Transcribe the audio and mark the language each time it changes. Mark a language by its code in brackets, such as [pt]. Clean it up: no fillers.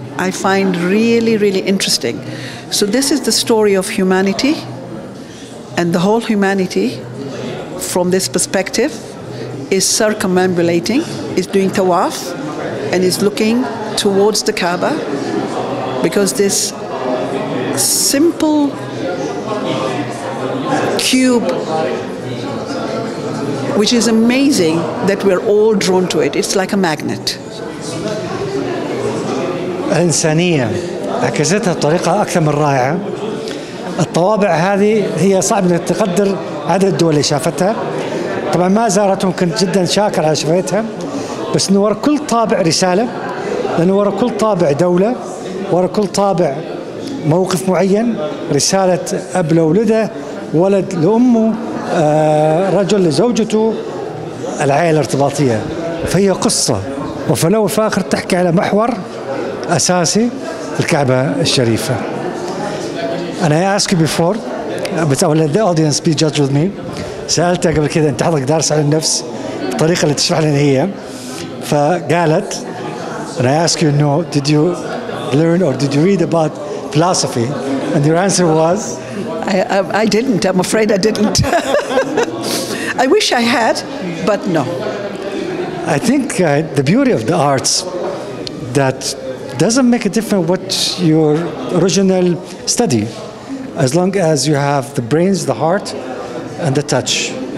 [en] I find really, really interesting. So this is the story of humanity and the whole humanity from this perspective is circumambulating, is doing tawaf and is looking towards the Kaaba because this simple cube, which is amazing that we're all drawn to it. It's like a magnet. [ar] إنسانية عكستها بطريقة أكثر من رائعة. الطوابع هذه هي صعب أن تقدر عدد الدول اللي شافتها. طبعا ما زارتهم كنت جدا شاكر على شفيتها. بس أنه وراء كل طابع رسالة. لأنه وراء كل طابع دولة. وراء كل طابع موقف معين. رسالة أب لولده. ولد لأمه. رجل لزوجته. العائلة الارتباطية. فهي قصة. وفي الأول وفي الآخر تحكي على محور. أساسي الكعبة الشريفة. [en] And I ask you before, but I will let the audience be judged with me. [ar] سألتها قبل كذا أنت حضرتك دارس على النفس بالطريقة اللي تشرح لنا هي. فقالت, [en] and I ask you, no, did you learn or did you read about philosophy? And your answer was? I didn't, I'm afraid I didn't. I wish I had, but no. I think the beauty of the arts that doesn't make a difference what your original study, as long as you have the brains, the heart, and the touch.